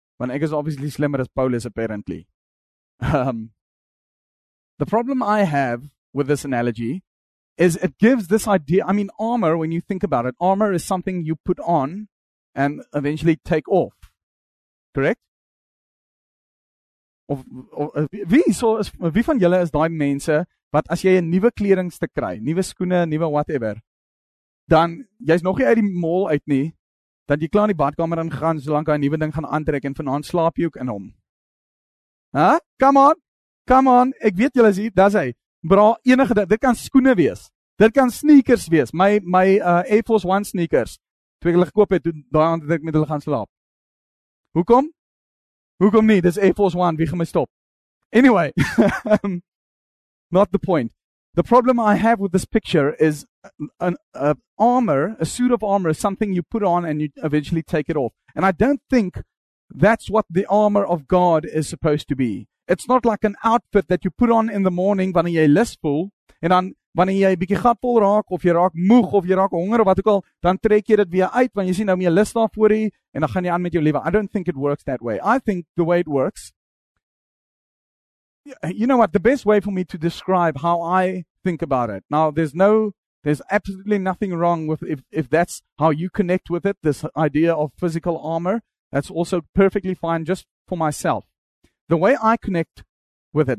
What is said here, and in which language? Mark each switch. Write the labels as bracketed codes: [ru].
[en] Van Egger is obviously [af] slimmer as [en] Paulus, apparently. The problem I have with this analogy is it gives this idea. I mean, armor, when you think about it, armor is something you put on and eventually take off. Correct? [af] Wie van julle is daai mense wat as jy 'n nuwe kledingstuk kry, nuwe skoene, nuwe whatever, dan jy's nog nie uit die mall uit nie, dan jy klaar in die badkamer ingaan, solank jy 'n nuwe ding gaan aantrek en vanaand slaap jy ook in hom. Huh? [en] Come on, [af] ek weet julle is hier, dis hy. Bra, enige ding, dit kan skoene wees. Dit kan sneakers wees. My Air Force 1 sneakers. Toe ek hulle gekoop het, daai aand het ek met hulle gaan slaap. Hoekom? Hoekom nie? Dis Air Force 1, wie gaan my stop? [en] Anyway, not the point. The problem I have with this picture is a suit of armor is something you put on and you eventually take it off. And I don't think that's what the armor of God is supposed to be. It's not like an outfit that you put on in the morning [af] wanneer jy lus voel en dan wanneer jy 'n bietjie gatvol raak of jy raak moeg of jy raak honger of wat ook al, dan trek jy dit weer uit want jy sien nou meer lus daarvoor hê en dan gaan jy aan met jou lewe. [en] I don't think it works that way. I think the way it works, you know what, the best way for me to describe how I think about it. Now, there's absolutely nothing wrong with if that's how you connect with it, this idea of physical armor. That's also perfectly fine just for myself. The way I connect with it.